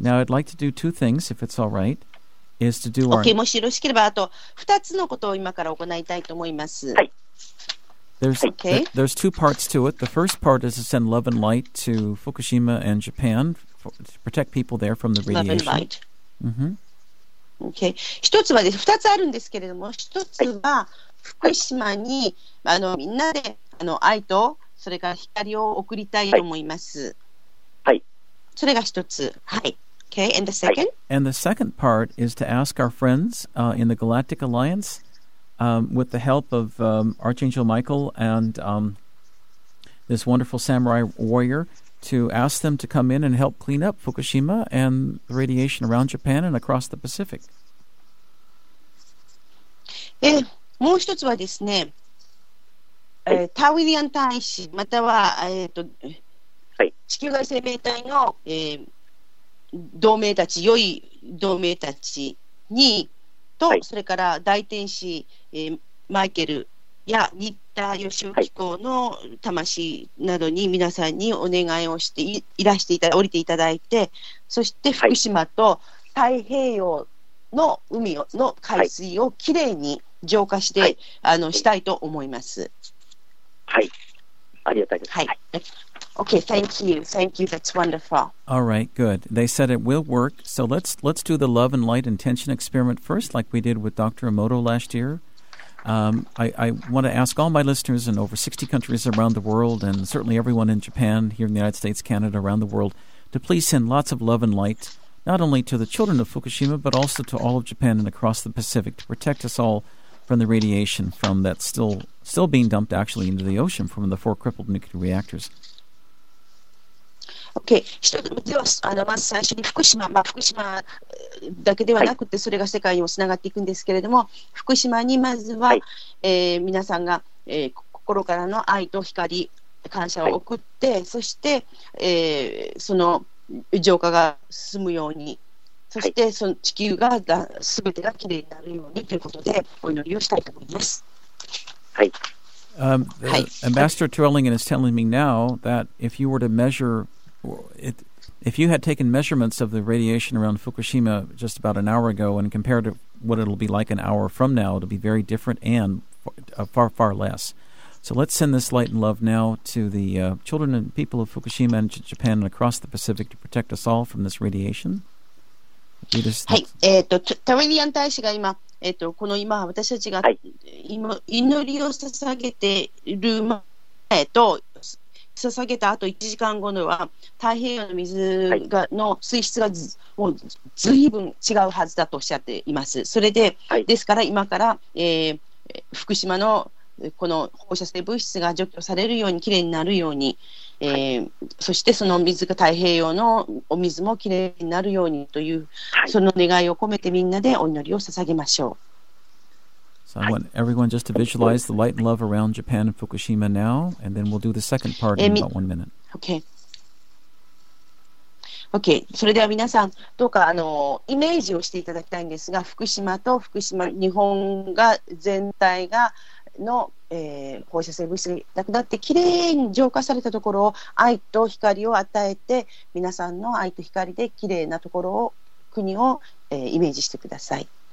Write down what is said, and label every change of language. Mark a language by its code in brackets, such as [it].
[en] Now, I'd like to do two things, if it's all right, is to do our... [ja] Okay, もしよろしければ、あと2つのことを今から行いたいと思います。はい。 [en] There's two parts to it. The first part is to send love and light to Fukushima and Japan to protect people there from the radiation. Love and light. Mm-hmm. Okay. [ja] 一つはです、二つあるんですけれども、一つは福島にみんなで愛とそれから光を送りたいと思います。はい。それが一つ。はい。 [en] Okay. And the second? And the second part is to ask our friends in the Galactic Alliance. With the help of Archangel Michael and this wonderful samurai warrior, to ask them to come in and help clean up Fukushima and the radiation around Japan and across the Pacific. [ja] もう一つはですね、タウィリアン大使または、地球外生命体の、同盟たち、良い同盟たちにと、はい、それから大天使マイケルや新田義雄機構の魂などに皆さんにお願いをして いらしていただ降りていただいて、そして福島と太平洋の海の海水をきれいに浄化して、はい、したいと思います。はい、ありがとうございます。はい、 [en] Okay, thank you. Thank you. That's wonderful. All right, good. They said it will work. So let's do the love and light intention experiment first, like we did with Dr. Emoto last year. I want to ask all my listeners in over 60 countries around the world, and certainly everyone in Japan, here in the United States, Canada, around the world, to please send lots of love and light, not only to the children of Fukushima, but also to all of Japan and across the Pacific, to protect us all from the radiation from that still being dumped actually into the ocean from the four crippled nuclear reactors. Okay. [ja] 一つでは、まず最初に福島、福島だけではなくて、それが世界にもつながっていくんですけれども、福島にまずは、皆さんが、心からの愛と光、感謝を送って、そして、その浄化が進むように、そしてその地球が全てがきれいになるようにということで、お祈りをしたいと思います。はい。 [en] Ambassador Twellingen is telling me now that if you were to measure if you had taken measurements of the radiation around Fukushima just about an hour ago and compared to what it'll be like an hour from now, it'll be very different and far, far less. So let's send this light and love now to the children and people of Fukushima and Japan and across the Pacific to protect us all from this radiation. [ja] Tawinian 大使が今、この今私たちが今祈りを捧げている前と捧げたあと1時間後のは太平洋の水がの水質がもう随分違うはずだとおっしゃっています。それで、はい、ですから今から、福島のこの放射性物質が除去されるようにきれいになるように、はい、そしてその水が太平洋のお水もきれいになるようにという、はい、その願いを込めてみんなでお祈りを捧げましょう。 [en] So I want everyone just to visualize the light and love around Japan and Fukushima now, and then we'll do the second part in about 1 minute. Okay. [ja] それでは皆さんどうかイメージをしていただきたいんですが、福島と福島日本が全体がの、放射性物質がなくなってきれいに浄化されたところを愛と光を与えて、皆さんの愛と光できれいなところを国を、イメージしてください。